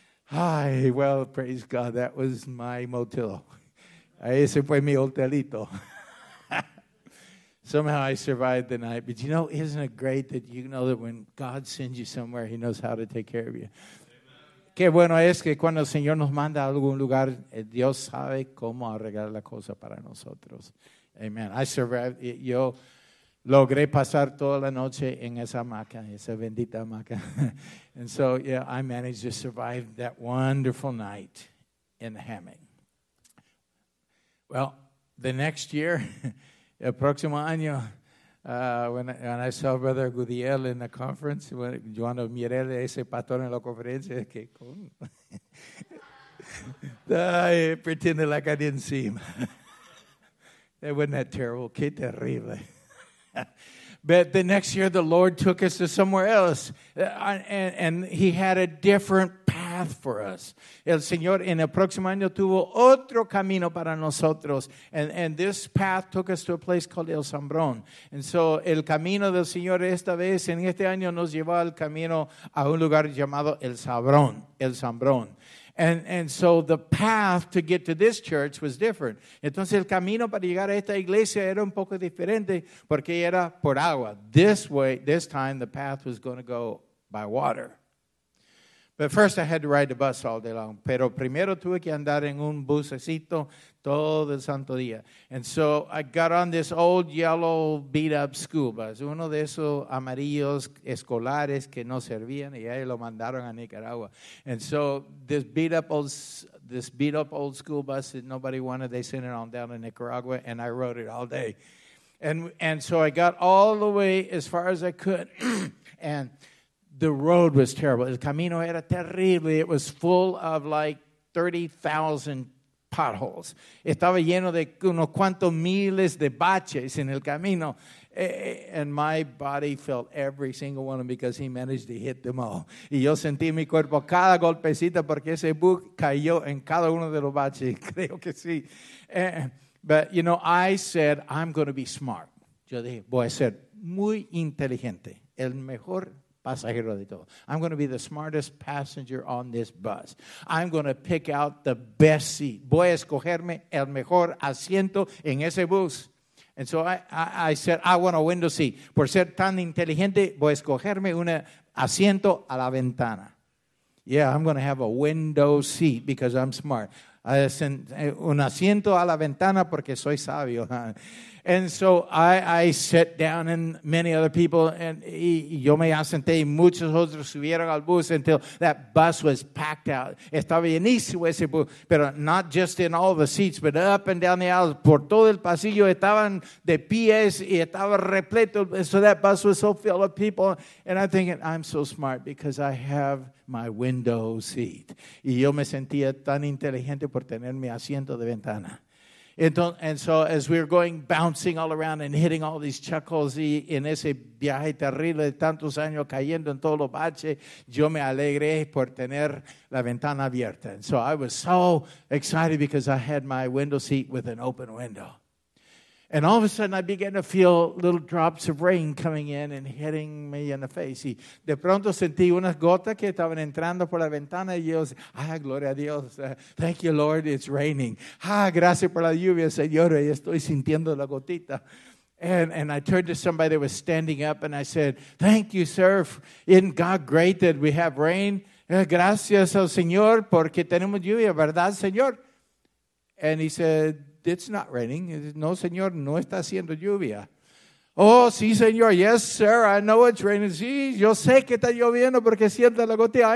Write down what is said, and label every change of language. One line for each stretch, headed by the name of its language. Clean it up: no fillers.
English: Ay, well, praise God, that was my motel.
Spanish: Ese fue mi hotelito.
English: Somehow I survived the night. But you know, isn't it great that you know that when God sends you somewhere, he knows how to take care of you.
Spanish: Qué bueno es que cuando el Señor nos manda a algún lugar, Dios sabe cómo arreglar la cosa para nosotros. Amen.
English: I survived.
Spanish: Yo logré pasar toda la noche en esa hamaca, esa bendita hamaca.
English: And so, yeah, I managed to survive that wonderful night in the hammock. Well, the next year,
Spanish: el próximo año,
English: when I saw Brother Gudiel in the conference, when Joano Mirel,
Spanish: ese pastor en la conferencia, que con.
English: I pretended like I didn't see him. That wasn't that terrible.
Spanish: Qué terrible.
English: But the next year, the Lord took us to somewhere else, and he had a different path for us.
Spanish: El Señor en el próximo año tuvo otro camino para nosotros,
English: and this path took us to a place called El Sambrón.
Spanish: And so el camino del Señor esta vez, en este año, nos llevó al camino a un lugar llamado El Sambrón, El Sambrón.
English: And so the path to get to this church was different.
Spanish: Entonces el camino para llegar a esta iglesia era un poco diferente porque era por agua.
English: This way, this time, the path was going to go by water. But first I had to ride the bus all day long.
Spanish: Pero primero tuve que andar en un busecito todo el santo día.
English: And so I got on this old yellow beat-up school bus.
Spanish: Uno de esos amarillos escolares que no servían y ahí lo mandaron a Nicaragua.
English: And so this beat-up old this beat up old school bus that nobody wanted. They sent it on down to Nicaragua, and I rode it all day. And so I got all the way as far as I could, and the road was terrible.
Spanish: El camino era terrible.
English: It was full of like 30,000 potholes.
Spanish: Estaba lleno de unos cuantos miles de baches en el camino.
English: And my body felt every single one of them because he managed to hit them all.
Spanish: Y yo sentí mi cuerpo cada golpecita porque ese bus cayó en cada uno de los baches. Creo que sí.
English: But, you know, I said, I'm going to be smart.
Spanish: Yo dije, voy a ser muy inteligente. El mejor pasajero de todo.
English: I'm going to be the smartest passenger on this bus. I'm going to pick out the best seat.
Spanish: Voy a escogerme el mejor asiento en ese bus.
English: And so I said, I want a window seat.
Spanish: Por ser tan inteligente, voy a escogerme un asiento a la ventana.
English: Yeah, I'm going to have a window seat because I'm smart.
Spanish: Un asiento a la ventana porque soy sabio.
English: And so I sat down and many other people, and
Spanish: yo me asenté y muchos otros subieron al bus
English: until that bus was packed out.
Spanish: Estaba llenísimo ese bus, pero
English: not just in all the seats, but up and down the aisles,
Spanish: por todo el pasillo estaban de pies y estaba repleto.
English: So that bus was so full of people, and I'm thinking, I'm so smart because I have my window seat.
Spanish: Y yo me sentía tan inteligente por tener mi asiento de ventana.
English: And so as we were going bouncing all around and hitting all these chuck holes
Spanish: y en ese viaje terrible de tantos años cayendo en todos los baches, yo me alegré por tener la ventana abierta.
English: And so I was so excited because I had my window seat with an open window. And all of a sudden I began to feel little drops of rain coming in and hitting me in the face.
Spanish: Y de pronto sentí unas gotas que estaban entrando por la ventana y yo, ah, gloria a Dios,
English: thank you, Lord, it's raining.
Spanish: Ah, gracias por la lluvia, Señor, y estoy sintiendo la gotita.
English: And I turned to somebody that was standing up and I said, thank you, sir, isn't God great that we have rain?
Spanish: Gracias al Señor porque tenemos lluvia, ¿verdad, Señor?
English: And he said, it's not raining.
Spanish: No, señor, no está haciendo lluvia. Oh, sí, señor.
English: Yes, sir, I know it's raining.
Spanish: Sí, yo sé que está lloviendo porque siento la gotilla.